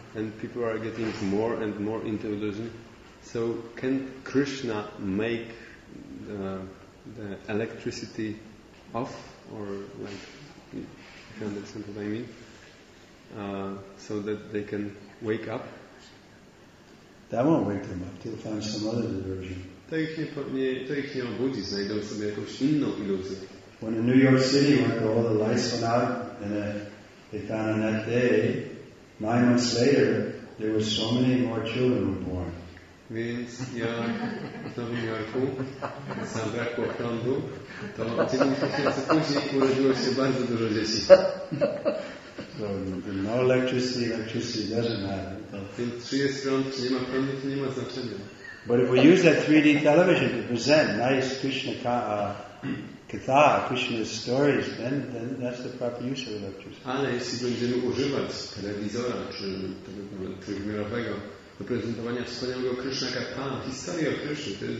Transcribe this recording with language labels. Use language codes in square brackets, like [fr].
[en] And people are getting more and more into illusion. So can Krishna make the electricity off, or like, if you understand what I mean, so that they can wake up? That won't wake them up. They'll find some other diversion. [pl] To ich nie obudzi, znajdą sobie jakąś inną iluzję. [en] When in New York City, when all the lights went out, and they found on that day, 9 months later, there were so many more children were born. [pl] Więc ja w Nowym Jorku zabrakło prądu, to 9 miesięcy później urodziło się bardzo dużo dzieci. [en] So, no electricity doesn't matter. [pl] Więc czy jest prąd, czy nie ma prądu, to nie ma znaczenia. [en] But if we use that 3D television to present nice Krishna katha, Krishna's stories, then that's the proper use of electricity. [pl] Ale jeśli będziemy używać telewizora, czy tego trójwymiarowego, do prezentowania wspaniałego Krishna katha, historii o Krishna, to jest